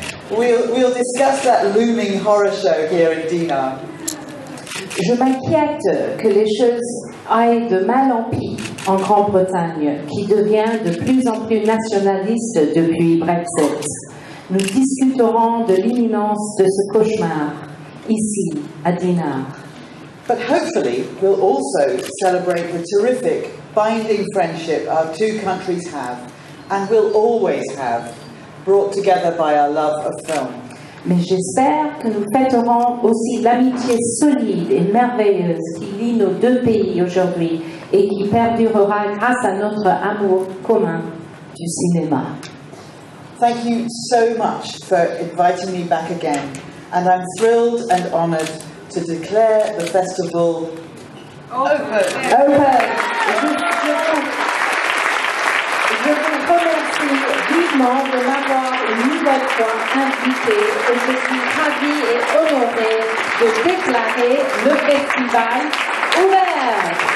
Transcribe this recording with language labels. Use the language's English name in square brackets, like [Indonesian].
[English] We'll discuss that looming horror show here in Dinard. [French] Je m'inquiète que les choses aillent de mal en pis en Grande-Bretagne, qui devient de plus en plus nationaliste depuis Brexit. Nous discuterons de l'imminence de ce cauchemar ici à Dinard. [English] But hopefully, we'll also celebrate the terrific binding friendship our two countries have, and will always have, brought together by our love of film. [French] Mais j'espère que nous fêterons aussi l'amitié solide et merveilleuse qui lie nos deux pays aujourd'hui et qui perdurera grâce à notre amour commun du cinéma. [English] Thank you so much for inviting me back again, and I'm thrilled and honored to declare the festival open. [French] Je vous remercie vivement de m'avoir une nouvelle fois invité et je suis ravie et honorée de déclarer le festival ouvert.